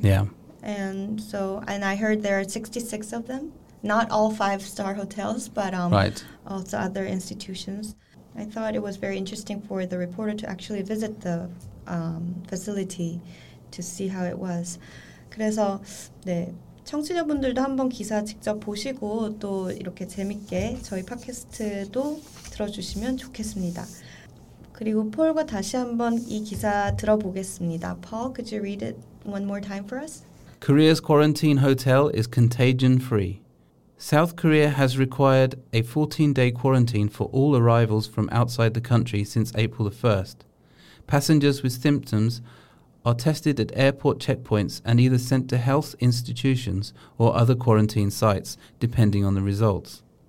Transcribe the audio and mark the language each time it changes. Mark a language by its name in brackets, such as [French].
[English] Yeah. And I heard there are 66 of them. Not all 5-star hotels, but right. also other institutions. I thought it was very interesting for the reporter to actually visit the facility to see how it was. [Korean] 그래서 네, 청취자분들도 한번 기사 직접 보시고 또 이렇게 재밌게 저희 팟캐스트도 들어주시면 좋겠습니다. 그리고 폴과 다시 한번 이 기사 들어보겠습니다. [English] Paul, could you read it one more time for us? Korea's quarantine hotel is contagion-free. South Korea has required a 14-day quarantine for all arrivals from outside the country since April the 1st. Passengers with symptoms are tested at airport checkpoints and either sent to health institutions or other quarantine sites, depending on the results.